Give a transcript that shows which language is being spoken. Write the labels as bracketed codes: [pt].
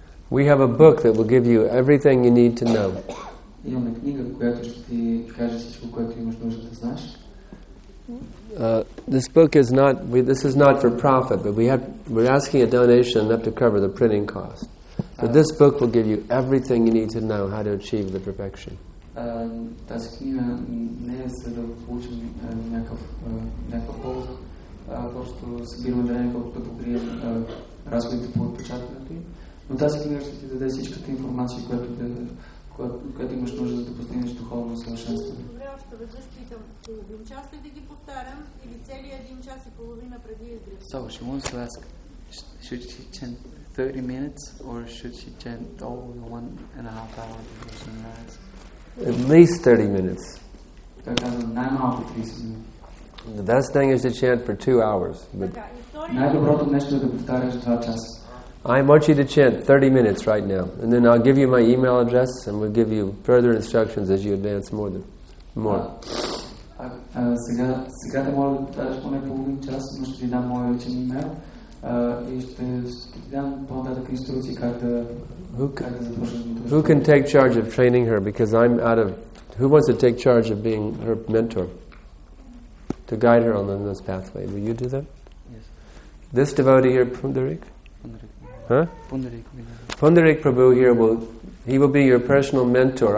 [en] We have a book that will give you everything you need to know. [bg] Имаме книга, която ще ти каже всичко, което имаш нужда да знаеш. [en] This book is not, this is not for profit, but we're asking a donation enough to cover the printing cost. But this book will give you everything you need to know how to achieve the perfection. [bg] Тази книга не е за да получим някаква полза, а просто събираме дарение, колкото покрием разходите по отпечатването ѝ. Но тази книга ще ти даде всичката информация, която те когато имаш нужда, за да постигнеш духовно съвършенство. Добре, още веднъж питам. Половин час ли да ги повтарям или целият 1.5 часа преди изгрева? [en] So, she wants to ask, should she chant 30 minutes or should she chant all the 1.5 hour before sunrise? At least 30 minutes. [bg] Така казвам, най-малко 30 минути. [en] The best thing is to chant for 2 hours. But [bg] най-доброто нещо е да повтаряш 2 часа. [en] I want you to chant 30 minutes right now, and then I'll give you my email address, and we'll give you further instructions as you advance more. [bg] Сега да мога да повтаряш поне половин час, но ще ти дам моя личен имейл и ще ти дам по-нататък инструкции как да започнеш. [en] Who can take charge of training her? Because I'm out of. Who wants to take charge of being her mentor to guide her on this pathway? Will you do that? Yes. This devotee here, Pundarik. Huh? Pundarik Prabhu here will be your personal mentor.